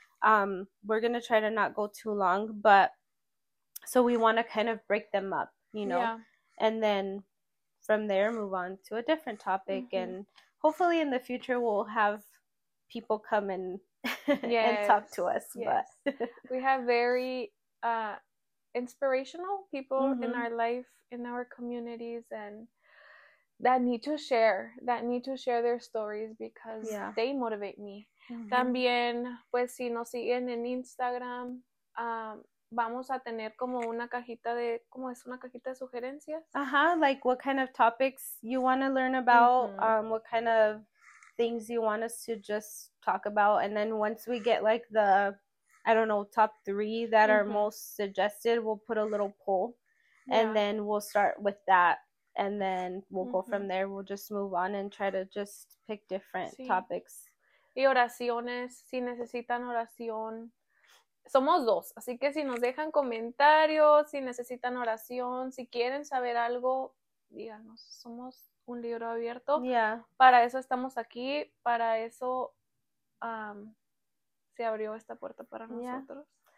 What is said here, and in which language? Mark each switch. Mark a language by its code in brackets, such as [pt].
[en] We're gonna try to not go too long, but so we want to kind of break them up, you know, and then from there move on to a different topic, and hopefully in the future we'll have people come in and talk to Yes, us, but yes. We have very inspirational people in our life, in our communities, and that need to share their stories because they motivate me. [es] También, pues si nos siguen en Instagram, vamos a tener como una cajita de, ¿cómo es una cajita de sugerencias? [en] Like what kind of topics you want to learn about, what kind of things you want us to just talk about, and then once we get like the, I don't know, top three that are most suggested, we'll put a little poll, and Yeah. then we'll start with that, and then we'll go from there. We'll just move on and try to just pick different [es] Sí. [en] topics. [es] Y oraciones, si necesitan oración. Somos dos, así que si nos dejan comentarios, si necesitan oración, si quieren saber algo, díganos, somos un libro abierto. Para eso estamos aquí, para eso se abrió esta puerta para nosotros.